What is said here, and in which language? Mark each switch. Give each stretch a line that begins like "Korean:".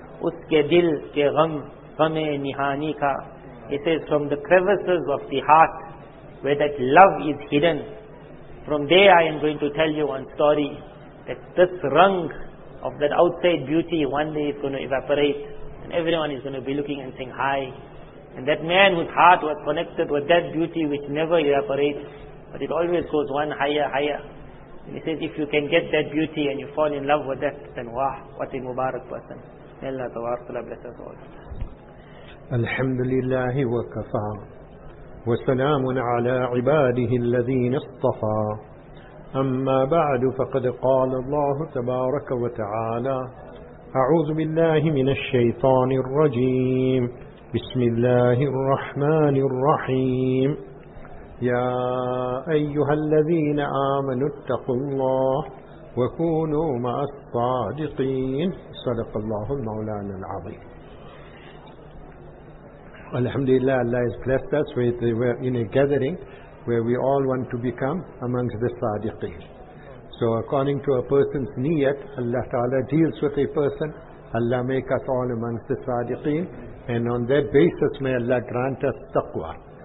Urdu: Uske dil ke gham, ghame nihani ka.
English: He says, from the crevices of the heart, where that love is hidden, from there I am going to tell you one story, that this rung of that outside beauty one day is going to evaporate, and everyone is going to be looking and saying, hi. And that man whose heart was connected with that beauty which never evaporates, but it always goes one higher, higher. And he says, if you can get that beauty and you fall in love with that, then wah, what a mubarak person. May Allah Ta'ala bless us all.
Arabic: الحمد لله وكفى وسلام على عباده الذين اصطفى أما بعد فقد قال الله تبارك وتعالى أعوذ بالله من الشيطان الرجيم بسم الله الرحمن الرحيم يا أيها الذين آمنوا اتقوا الله وكونوا مع الصادقين صدق الله المولانا العظيم.
English: Alhamdulillah, Allah has blessed us with in a gathering where we all want to become amongst the sadiqeen. So according to a person's niyat, Allah Ta'ala deals with a person. Allah make us all amongst the sadiqeen. And on that basis, may Allah grant us taqwa.